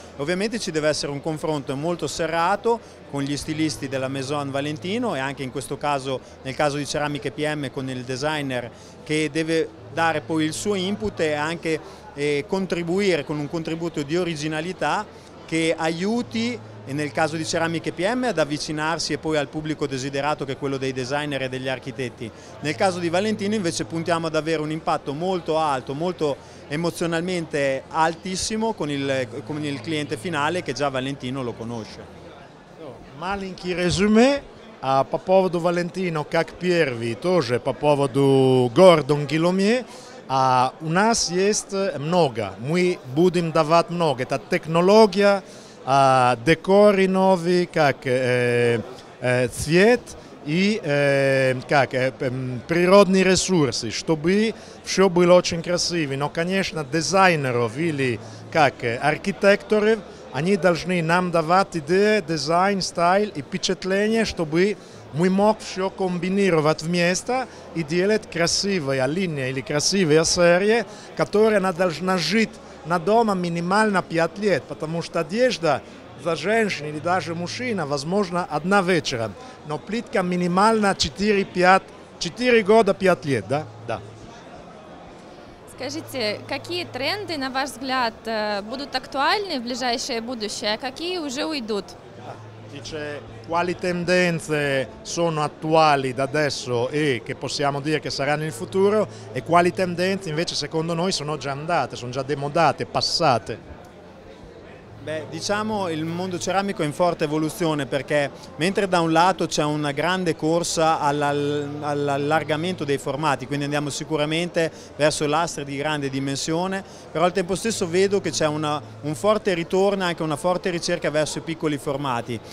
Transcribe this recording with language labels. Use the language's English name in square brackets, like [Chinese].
[Italian] Ovviamente ci deve essere un confronto molto serrato con gli stilisti della Maison Valentino e anche in questo caso, nel caso di Ceramiche PM, con il designer che deve dare poi il suo input e anche e contribuire con un contributo di originalità che aiuti, e nel caso di Ceramiche PM, ad avvicinarsi e poi al pubblico desiderato, che è quello dei designer e degli architetti. Nel caso di Valentino invece puntiamo ad avere un impatto molto alto, molto emozionalmente altissimo con il cliente finale, che già Valentino lo conosce. [Russian] Маленький резюме. А по поводу Валентино, как первый, тоже по поводу Гордон Гиломье. У нас есть много, мы будем давать много. Это технология, декоры новые, как цвет и как природные ресурсы, чтобы все было очень красиво. Но, конечно, дизайнеров или как архитекторов, они должны нам давать идеи, дизайн, стиль и впечатление, чтобы мы мог все комбинировать вместе и делать красивые линии или красивые серии, которые она должна жить на дома минимально 5 лет, потому что одежда за женщин или даже мужчина, возможно, одна вечера, но плитка минимально 4 года 5 лет, да? Да. Скажите, какие тренды, на ваш взгляд, будут актуальны в ближайшее будущее, а какие уже уйдут? [Italian] Dice quali tendenze sono attuali da adesso e che possiamo dire che saranno in futuro e quali tendenze invece secondo noi sono già andate, sono già demodate, passate. Diciamo il mondo ceramico è in forte evoluzione, perché mentre da un lato c'è una grande corsa all'allargamento dei formati, quindi andiamo sicuramente verso lastre di grande dimensione, però al tempo stesso vedo che c'è un forte ritorno e anche una forte ricerca verso i piccoli formati.